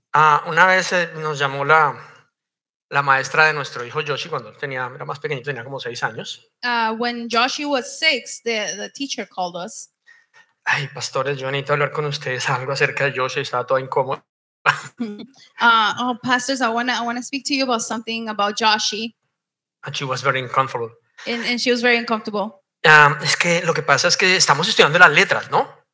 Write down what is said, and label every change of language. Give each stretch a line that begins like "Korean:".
Spanish: Una vez nos llamó la maestra de nuestro hijo Joshi cuando era más pequeñito, tenía como 6 años.
English: When Joshi was 6, the teacher called us.
Spanish: Ay, pastores, yo necesito hablar con ustedes algo acerca de Joshi, estaba toda incómoda.
English: Pastors, I want to speak to you about something about Joshi. And she was very uncomfortable. And she was very uncomfortable.
Spanish: Es que lo que pasa es que estamos estudiando las letras, ¿no?